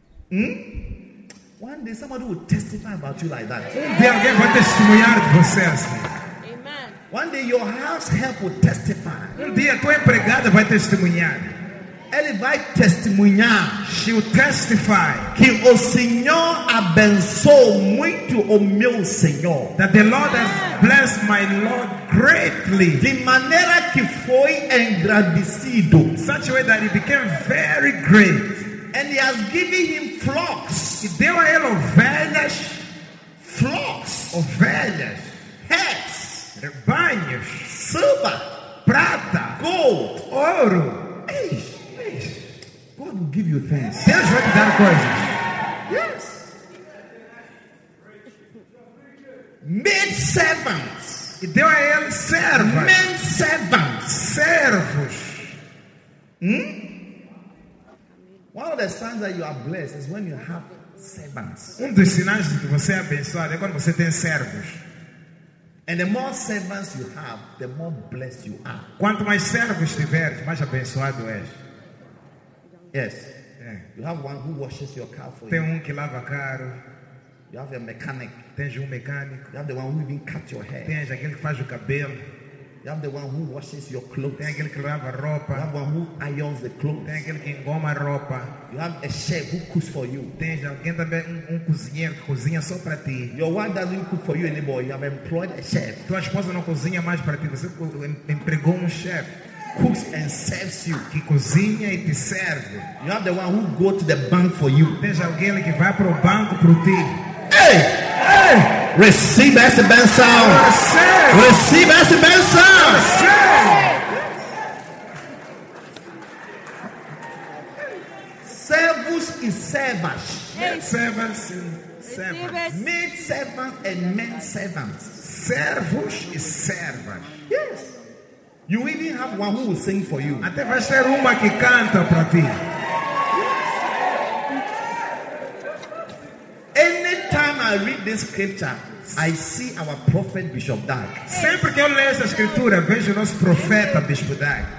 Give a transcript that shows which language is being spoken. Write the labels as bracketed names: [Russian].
[English] One day somebody will testify about you like that. [Portuguese] Um dia alguém vai testemunhar de você assim. [English] One day your house help will testify. [Portuguese] Um dia tua empregada vai testemunhar. Ele vai testemunhar. [English] She will testify. [Portuguese] Que o Senhor abençoou muito o meu Senhor. [English] That the Lord has blessed my Lord greatly. [Portuguese] De maneira que foi engrandecido. [English] Such a way that he became very great. And he has given him flocks. [Portuguese] E deu a ele ovelhas. [English] Flocks. [Portuguese] Ovelhas. [English] Heads. [Portuguese] Rebanhos, [English] silver, [Portuguese] prata, [English] gold, [Portuguese] ouro. [English] Eish, eish. God will give you things. [Portuguese] Deus vai te dar coisas. [English] Yes. Made servants. [Portuguese] E deu a ele servos. [English] Men servants. [Portuguese] Servos. [English] One of the signs that you are blessed is when you have servants. [Portuguese] Um dos sinais de que você é abençoado é quando você tem servos. [English] And the more servants you have, the more blessed you are. [Portuguese] Quanto mais servos tiveres, mais abençoado és. [English] Yes. [Portuguese] É. [English] You have one who washes your car for [Portuguese] tem [English] you. [Portuguese] Tem que lava carro. [English] You have a mechanic. [Portuguese] Tens mecânico. [English] You have the one who even cut your hair. [Portuguese] Tens aquele que faz o cabelo. [English] You have the one who washes your clothes. [Portuguese] Tem aquele que lava roupa. [English] You have one who irons the clothes. [Portuguese] Tem aquele que engoma roupa. [English] You have a chef who cooks for you. [Portuguese] Tem alguém também um cozinheiro que cozinha só para ti. [English] Your wife doesn't cook for you anymore. You have employed a chef. [Portuguese] Tua esposa não cozinha mais para ti. Você empregou chef. [English] Cooks and serves you. [Portuguese] Que cozinha e te serve. [English] You have the one who goes to the bank for you. [Portuguese] Tem alguém que vai pro banco para ti. Hey! Hey! Receive essa benção. Receive essa benção. Servos e servas. Servos e servas. [English] Maid servants and men servants. [Portuguese] Servos e servas. [English] Yes. You even have one who will sing for you. [Portuguese] Até vai ser uma que canta para ti. [English] I read this scripture, I see our prophet Bishop Dag. [Portuguese] Sempre que eu leio essa escritura, vejo nosso profeta Bishop Dag.